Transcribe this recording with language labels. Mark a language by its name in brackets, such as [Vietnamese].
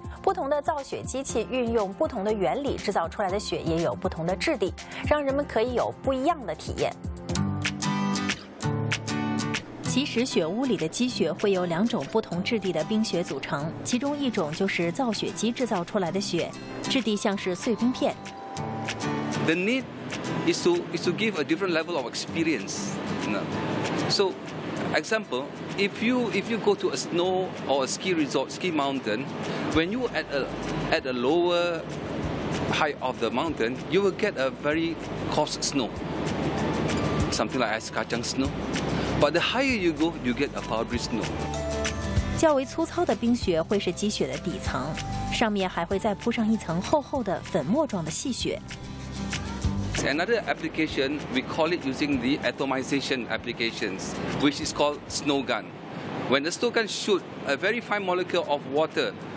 [Chinese] 不同的造雪机器运用不同的原理制造出来的雪也有不同的质地，让人们可以有不一样的体验。其实雪屋里的积雪会有2种不同质地的冰雪组成，其中一种就是造雪机制造出来的雪，质地像是碎冰片。 [English] The need is to give a different level of experience. So, example, if you go to a snow or a ski resort, ski mountain. When you at a lower height of the mountain, you will get a very coarse snow, something like ice kacang snow. But the higher you go, you get a powdery snow. [Chinese] 较为粗糙的冰雪会是积雪的底层，上面还会再铺上一层厚厚的粉末状的细雪。 [English] Another application, we call it using the atomization applications, which is called snow gun. When the snow gun shoots a very fine molecule of water.